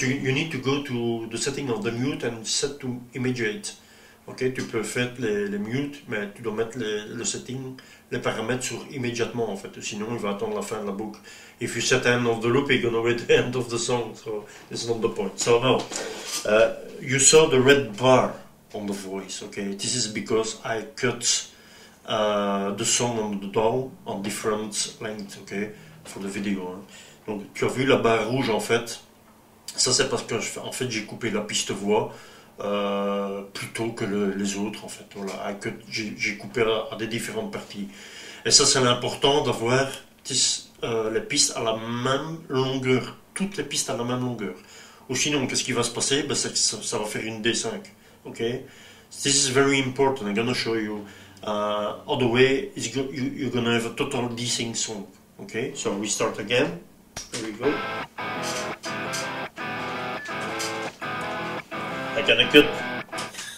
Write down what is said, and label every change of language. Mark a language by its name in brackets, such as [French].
[English] You need to go to the setting of the mute and set to immediate. [French] Okay, tu peux faire les mute, mais tu dois mettre le setting, les paramètres sur immédiatement en fait. Sinon, il va attendre la fin de la boucle. [English] If you set the end of the loop, you're gonna wait the end of the song. So, it's not the point. So, now, you saw the red bar on the voice, okay? This is because I cut the song on the DAW on different lengths, okay? For the video. Hein. [French] Donc, tu as vu la barre rouge en fait. Ça, c'est parce que, en fait, j'ai coupé la piste voix. Plutôt que les autres en fait, voilà, que j'ai coupé à des différentes parties. Et ça c'est l'important d'avoir les pistes à la même longueur, toutes les pistes à la même longueur. Ou sinon, qu'est-ce qui va se passer? Ben, ça va faire une D5, ok? [English] This is very important, I'm gonna show you. All the way, you're gonna have a total D-sync song, ok? So we start again, here we go. Can I cut?